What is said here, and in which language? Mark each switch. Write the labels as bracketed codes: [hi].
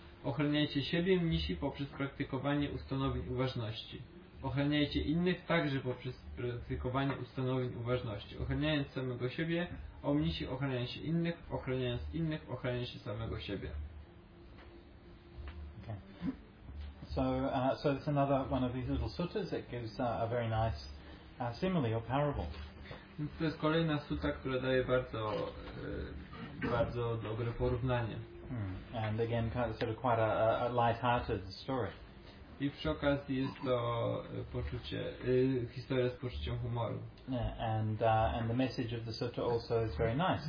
[pl] Ochraniajcie siebie, mnisi, poprzez praktykowanie ustanowień uważności. Ochraniajcie innych także poprzez praktykowanie ustanowień uważności. Ochraniając samego siebie, o mnisi, ochrania się innych, ochraniając innych, ochrania się samego siebie. [en] So it's another one of these little suttas that gives a very nice simile or parable. [pl] To jest kolejna sutta, która daje bardzo, bardzo dobre porównanie. [en] And again, sort of quite a light-hearted story. [pl] I przy okazji jest to historia z poczuciem humoru. [en] Yeah, and the message of the sutta also is very nice.